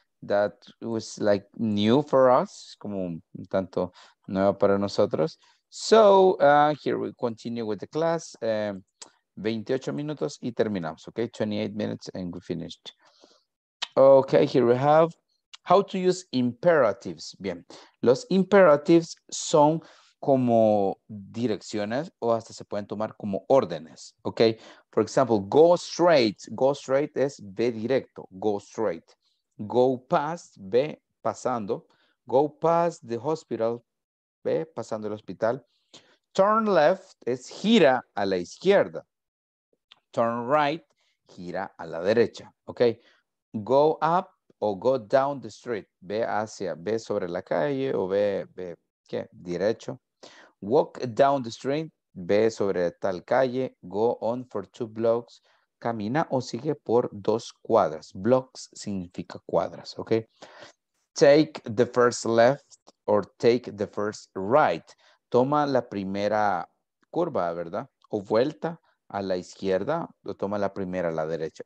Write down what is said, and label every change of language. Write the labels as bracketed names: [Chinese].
[English] That was like new for us, [Spanish] como un tanto nueva para nosotros. [English] So, here we continue with the class. 28 [Spanish] minutos y terminamos, [English] okay? 28 minutes and we finished. Okay, here we have how to use imperatives. [Spanish] Bien, los imperatives son como direcciones o hasta se pueden tomar como órdenes, okay? [English] For example, go straight. Go straight [Spanish] es ve directo, [English] go straight. Go past, [Spanish] ve pasando. [English] Go past the hospital, [Spanish] ve pasando el hospital. [English] Turn left [Spanish] es gira a la izquierda. [English] Turn right, [Spanish] gira a la derecha. Okay. [English] Go up [Spanish] o [English] go down the street, [Spanish] ve hacia, ve sobre la calle o ve ¿qué? Derecho. [English] Walk down the street, [Spanish] ve sobre tal calle. [English] Go on for two blocks. [Spanish] Camina o sigue por dos cuadras. Blocks significa cuadras, ¿ok? [English] Take the first left or take the first right. [Spanish] Toma la primera curva, ¿verdad? O vuelta a la izquierda o toma la primera a la derecha.